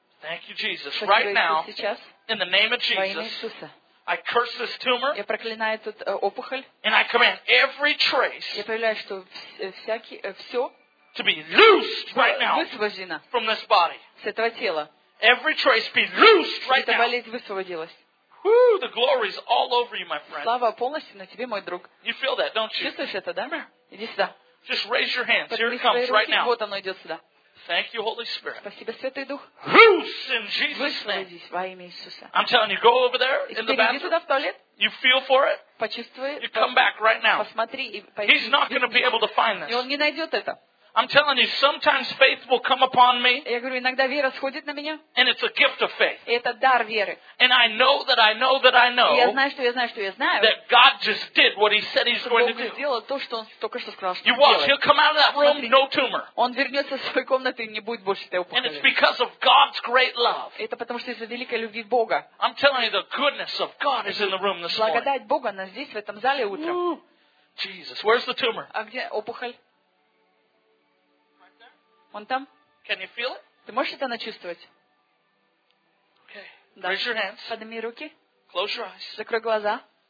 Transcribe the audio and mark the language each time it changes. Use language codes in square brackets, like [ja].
[en] Thank you, Jesus. Right now, in the name of Jesus. I curse this tumor. [ru] Я проклинаю эту опухоль. [en] And I command every trace. [ru] Я повелеваю, что всякий все. [en] To be loosed right now. [ru] Высвобождено. [en] From this body. [ru] С этого тела. [en] Every trace be loosed right now. [ru] Эта болезнь высвободилась. [en] Whoo, the glory is all over you, my friend. [ru] Слава полностью на тебе, мой друг. [en] You feel that, don't you? [ru] Чувствуешь это, да? Иди сюда. [en] Just raise your hands. Here it comes right now. [ru] Вот оно идет сюда. [en] Thank you, Holy Spirit. [ru] Спасибо, Святой Дух. [en] Loose in Jesus' name. [ru] Высвободись во имя Иисуса. [en] I'm telling you, go over there in the bathroom. [ru] Иди туда в туалет. [en] You feel for it. [ru] Почувствуй. [en] You come back right now. [ru] Посмотри и пойди. [en] He's not going to be able to find this. [ru] И он не найдет это. [en] I'm telling you, sometimes faith will come upon me. [ru] Я говорю, иногда вера сходит на меня. [en] And it's a gift of faith. [ru] И это дар веры. [en] And I know that I know that I know. [ru] Я знаю, что я знаю, что я знаю. [en] That God just did what He said He's going to do. [ru] Бог сделал то, что Он только что сказал, что [en] You watch, He'll come out of that room, no tumor. [ru] Он вернется в свою комнату и не будет больше этой опухоли. [en] And it's because of God's great love. [ru] Это потому что из-за великой любви Бога. [en] I'm telling you, the goodness of God is in the room this morning. [ru] Благодать Бога нас здесь в этом зале утром. [en] Jesus, where's the tumor? [ru] А где опухоль? Он там? [en] Can you feel it? [ru] Ты можешь это начувствовать? [en] Okay. [ru] Да. [en] Raise your hands. [ru] Подними руки. [en] Close your eyes. [ru] Закрой глаза.